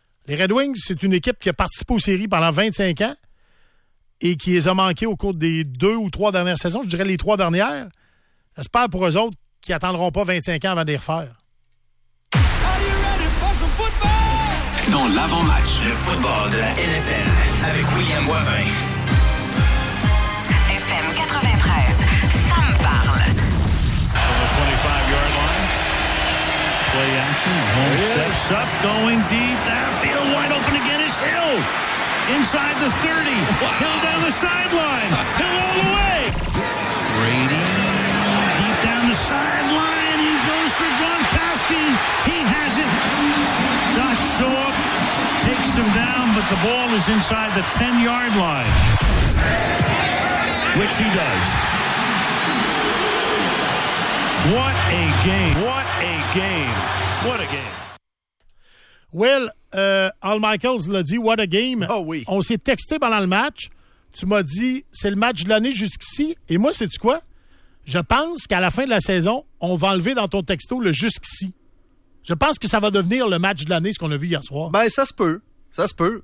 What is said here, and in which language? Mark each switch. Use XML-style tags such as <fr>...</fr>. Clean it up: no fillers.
<fr>Les Red Wings, c'est une équipe qui a participé aux séries pendant 25 ans et qui les a manqués au cours des 2 ou 3 dernières saisons, je dirais les 3 dernières. J'espère pour eux autres qui n'attendront pas 25 ans avant de les refaire. Dans l'avant-match, le football de la NFL avec William Boivin. FM 93, ça me parle.</fr> <en>From the 25-yard line, play action, home steps up, going deep, that field wide open again is Hill. Inside the 30, Hill down the sideline, Hill all the way. Brady. Sideline, he goes for Gronkowski, he has it. Josh Short takes him down, but the ball is inside the 10-yard line, which he does. What a game, what a game, what a game.</en> <fr>Well, Al Michaels l'a dit,</fr> <en>what a game.</en> <fr>Oh oui. On s'est texté pendant le match, tu m'as dit, c'est le match de l'année jusqu'ici, et moi, sais-tu quoi? Je pense qu'à la fin de la saison, on va enlever dans ton texto le jusqu'ici. Je pense que ça va devenir le match de l'année, ce qu'on a vu hier soir. Ben, ça se peut. Ça se peut.</fr>